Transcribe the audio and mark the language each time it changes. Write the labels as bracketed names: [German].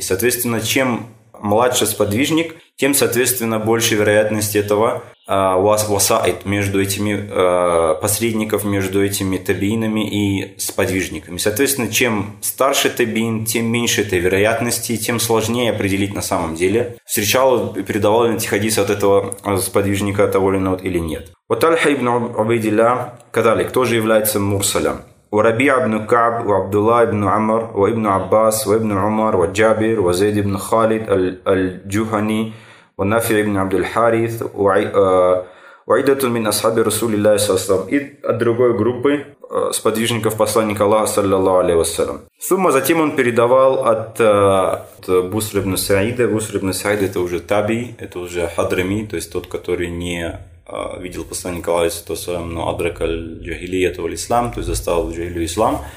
[Russian] Соответственно, чем младше сподвижник, тем, соответственно, больше вероятность этого васаид между этими посредников, между этими табиинами и сподвижниками. Соответственно, чем старше табиин, тем меньше этой вероятности, тем сложнее определить на самом деле, встречал, передавал ли хадис от этого сподвижника того или иного или нет. Ва Талха ибн Убайдилля кадалик, тоже является мурсалем. [Arabic] وربيعة بن كعب وعبدالله بن عمر وابن عباس وابن عمر وجابر وزيد بن خالد الجهني ونافع بن عبد الحارث وعدة من أصحاب رسول الله صلى الله عليه وسلم. [Russian] Другой группы сподвижников посланника Аллаха саллаллаху алейхи вассалям. Сумма затем он передавал от Буср ибн Саида. Буср ибн Саид — это уже таби, это уже хадрами, то есть тот, который не видел посланника Аллаха, но [Arabic] адрак аль-джахилия [Russian] этого ислам, то есть застал джахилию ислам.